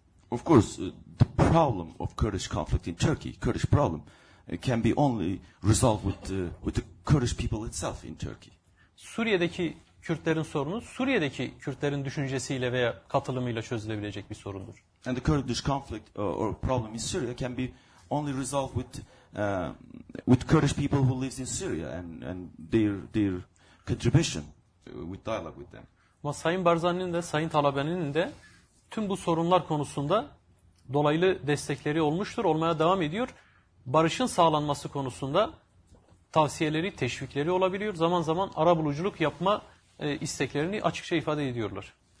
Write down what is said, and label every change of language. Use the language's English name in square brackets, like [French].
[English] Of course, the problem of Kurdish conflict in Turkey, Kurdish problem, can be only resolved with the Kurdish people itself in Turkey. [Turkish] Suriye'deki Kürtlerin sorunu Suriye'deki Kürtlerin düşüncesiyle veya katılımıyla çözülebilecek bir sorundur. [English] And the Kurdish conflict or problem in Syria can be only resolved with Kurdish people who lives in Syria and their contribution with dialogue with them. [Turkish] Ama Sayın Barzani'nin de Sayın Talabani'nin de tüm bu sorunlar konusunda dolaylı destekleri olmuştur, olmaya devam ediyor. Barışın sağlanması konusunda tavsiyeleri, teşvikleri olabiliyor. Zaman zaman arabuluculuk yapma isteklerini açıkça ifade ediyorlar.